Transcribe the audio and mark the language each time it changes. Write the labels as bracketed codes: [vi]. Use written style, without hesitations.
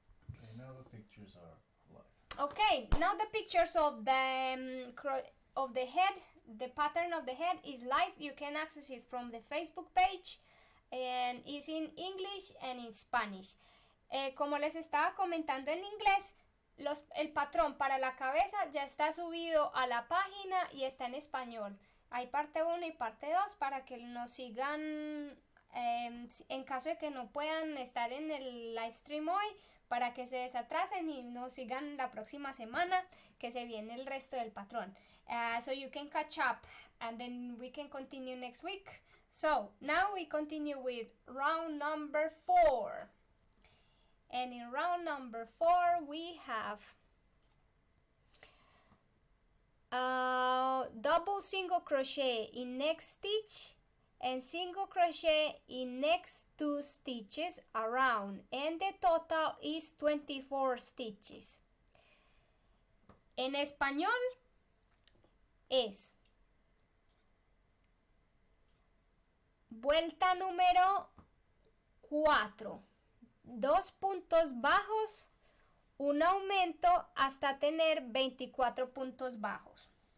[en] Okay, now the pictures are live. Okay, now the pictures of the head, the pattern of the head is live. You can access it from the Facebook page and is in English and in Spanish. [es] Como les estaba comentando en inglés, el patrón para la cabeza ya está subido a la página y está en español. Hay parte 1 y parte 2 para que nos sigan en caso de que no puedan estar en el live stream hoy, para que se desatrasen y nos sigan la próxima semana, que se viene el resto del patrón. [en] So you can catch up, and then we can continue next week. So, now we continue with round number 4. And in round number 4, we have double single crochet in next stitch, and single crochet in next 2 stitches around, and the total is 24 stitches. [es] En español es vuelta número 4, 2 puntos bajos, un aumento hasta tener 24 puntos bajos.